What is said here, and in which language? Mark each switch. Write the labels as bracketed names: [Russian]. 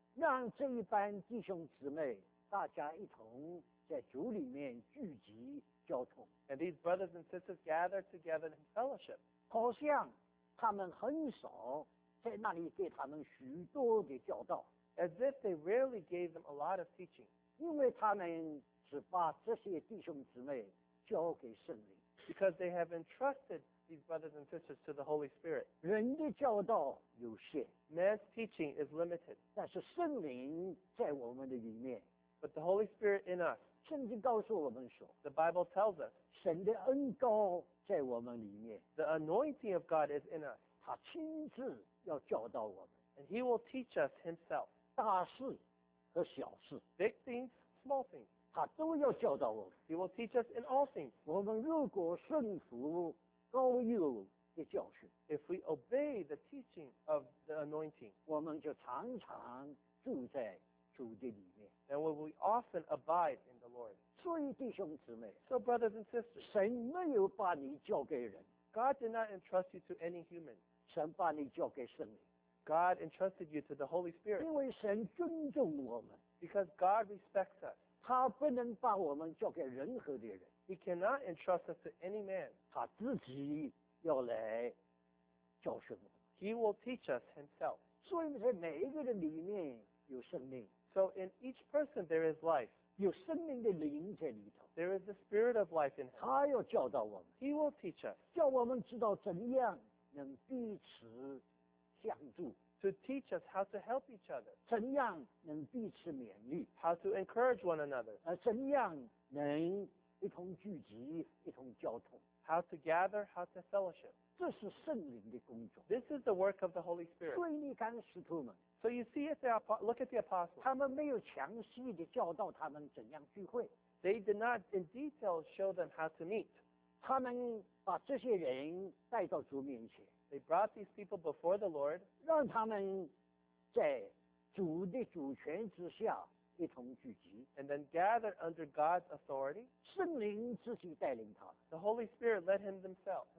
[Chinese] 让这一般弟兄姊妹大家一同在主里面聚集交通, [English] and these brothers and sisters gathered together in fellowship. [Chinese] 好像他们很少在那里给他们许多的教导 [English] as if they really gave them a lot of teaching. [Chinese] 因为他们只把这些弟兄姊妹交给圣灵。 [English] Because they have entrusted these brothers and sisters to the Holy Spirit. [Chinese] 人的教导有限。 [English] Man's teaching is limited. [Chinese] 但是圣灵在我们的里面。 [English] But the Holy Spirit in us. [Chinese] 圣经告诉我们说。 [English] The Bible tells us. [Chinese] 神的恩膏在我们里面。 [English] The anointing of God is in us. [Chinese] 他亲自要教导我们。 [English] And he will teach us himself. [Chinese] 大事和小事。 [English] Big things, small things. [Chinese] 他都要教导我们。 [English] He will teach us in all things. [Chinese] 我们如果顺服膏油的教训， [English] If we obey the teaching of the anointing, [Chinese] 我们就常常住在主的里面。 [English] And we will often abide in the Lord. [Chinese] 所以弟兄姊妹， [English] So brothers and sisters, [Chinese] 神没有把你交给人。 [English] God did not entrust you to any human. [Chinese] 神把你交给圣灵。 [English] God entrusted you to the Holy Spirit. [Chinese] 因为神尊重我们。 [English] Because God respects us. [Chinese] 他不能把我们交给任何的人。 [English] He cannot entrust us to any man. [Chinese] 他自己要来教训我们。 [English] He will teach us himself. [Chinese] 所以在每一个人里面有生命。 [English] So in each person there is life. [Chinese] 有生命的灵在里头。 [English] There is the spirit of life in him. [Chinese] 他要教导我们。 [English] He will teach us. [Chinese] 叫我们知道怎样能彼此相助。 [English] To teach us how to help each other. [Chinese] 怎样能彼此勉励？ [English] How to encourage one another. [Chinese] 怎样能一同聚集，一同交通？ [English] How to gather, how to fellowship. [Chinese] 这是圣灵的工作。 [English] This is the work of the Holy Spirit. [Chinese] 所以你看使徒们。 [English] So you see, if they look at the apostles. [Chinese] 他们没有详细地教导他们怎样聚会。 [English] They did not in detail show them how to meet. [Chinese] 他们把这些人带到主面前。 [English] They brought these people before the Lord. [Chinese] 让他们在主的主权之下一同聚集。 [English] And then gathered under God's authority. [Chinese] 圣灵自己带领他。 [English] The Holy Spirit led him themselves.